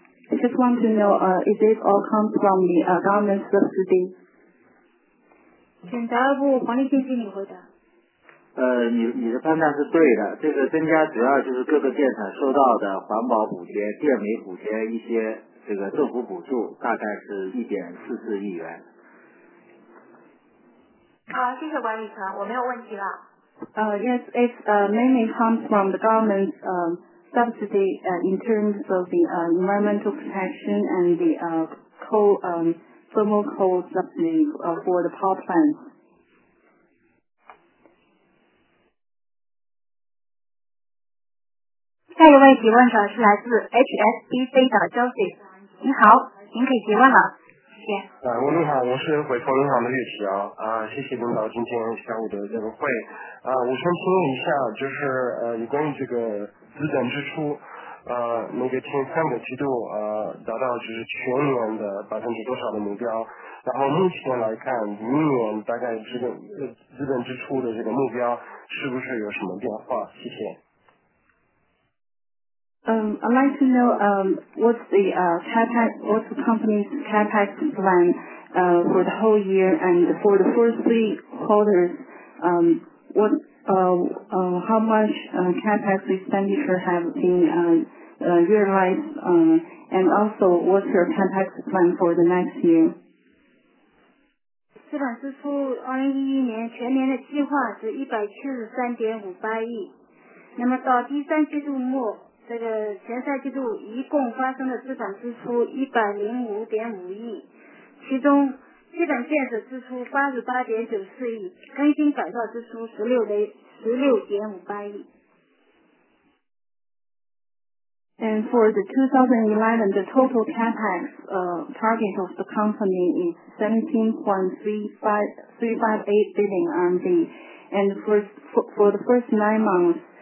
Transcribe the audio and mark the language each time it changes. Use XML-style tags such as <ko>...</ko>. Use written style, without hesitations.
<en>I just want to know, is it all come from the government subsidy?</en> <zh>请财务部黄丽君经理回答。你的判断是对的，这个增加主要就是各个电厂收到的环保补贴、电煤补贴一些这个政府补助，大概是1.44亿元。好，谢谢管理层，我没有问题了。</zh> <en>Yes, it's mainly comes from the government's subsidy in terms of the environmental protection and the coal, thermal coal subsidy for the power plants.</en> <zh>下一位提问者是来自 HSBC 的 Joseph， 你好，您可以提问了。你好，我是汇丰银行的律师啊，谢谢领导今天下午的这个会啊，我想请问一下，就是有关于这个资本支出，那个前三个季度达到就是全年的20%的目标，然后目前来看，明年大概这个资本支出的这个目标是不是有什么变化？谢谢。</zh> <en>I'd like to know what's the capex, what's the company's capex plan for the whole year and for the first three quarters. How much capex expenditure have been realized, and also what's your capex plan for the next year?</en> <zh>资本支出2011年全年的计划是173.58亿，那么到第三季度末。这个前三季度一共发生的资产支出105.5亿，其中基本建设支出88.94亿，更新改造支出16.58亿。</zh> <en>And for the 2011, the total capex target of the company is 17.358 billion RMB, and for the first 9 months.</en>